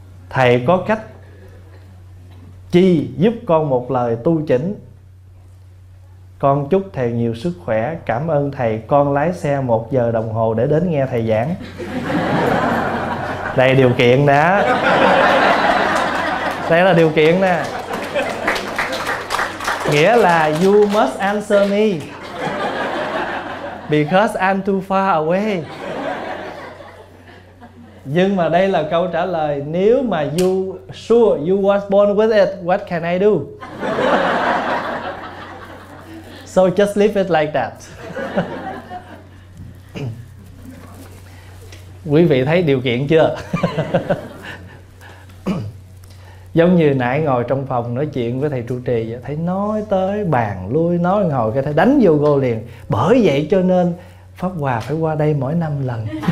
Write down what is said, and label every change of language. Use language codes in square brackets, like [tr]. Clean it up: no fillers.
[vi] Thầy có cách chi giúp con một lời tu chỉnh? Con chúc thầy nhiều sức khỏe. Cảm ơn thầy, con lái xe 1 giờ đồng hồ để đến nghe thầy giảng. Đây điều kiện nè, đây là điều kiện nè. Nghĩa là [en] you must answer me because I'm too far away. [vi] Nhưng mà đây là câu trả lời. Nếu mà [en] you sure you was born with it, what can I do? So just leave it like that. [vi] Quý vị thấy điều kiện chưa? Giống như nãy ngồi trong phòng nói chuyện với thầy trụ trì vậy, thấy nói tới bàn lui, nói ngồi cái thầy đánh vô gô liền. Bởi vậy cho nên Pháp Hòa phải qua đây mỗi năm lần.